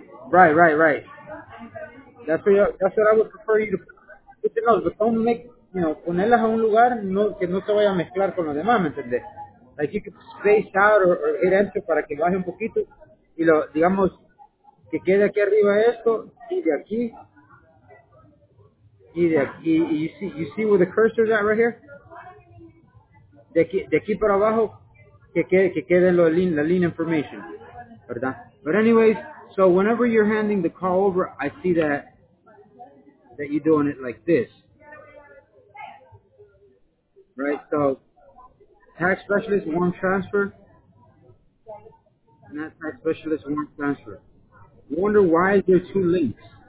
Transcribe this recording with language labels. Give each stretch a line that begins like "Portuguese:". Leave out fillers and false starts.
English: Right. That's what I would prefer you to put the notes, but don't make, you know,
Spanish: ponerlas a un lugar no, que no se vaya a mezclar con los demás, ¿me entiendes?
English: Like you could space out or hit enter
Spanish: para que baje un poquito y lo, digamos, que quede aquí arriba esto y de aquí.
English: You see where the cursor's at right here?
Spanish: De aquí para abajo que quede la línea information, ¿verdad?
English: But anyways, so whenever you're handing the call over, I see that that you're doing it like this. Right, so tax specialist, one transfer. And that tax specialist, one transfer. Wonder why is there two links?